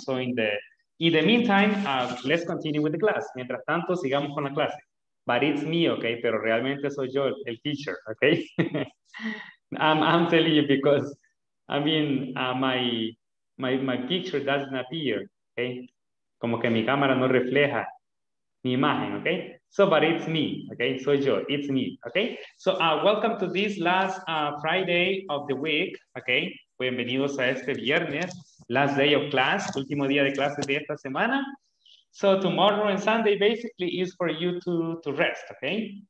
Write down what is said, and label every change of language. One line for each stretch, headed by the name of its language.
English: So in the meantime, let's continue with the class.
Spanish: Mientras tanto, sigamos con la clase.
English: But it's me, okay?
Spanish: Pero realmente soy yo el teacher, okay?
English: I'm telling you because, I mean, my picture doesn't appear, okay?
Spanish: Como que mi cámara no refleja mi imagen, okay?
English: So, but it's me, okay?
Spanish: Soy yo,
English: it's me, okay? So, welcome to this last Friday of the week, okay?
Spanish: Bienvenidos a este viernes,
English: last day of class,
Spanish: último día de clases de esta semana.
English: So, tomorrow and Sunday basically is for you to rest, okay?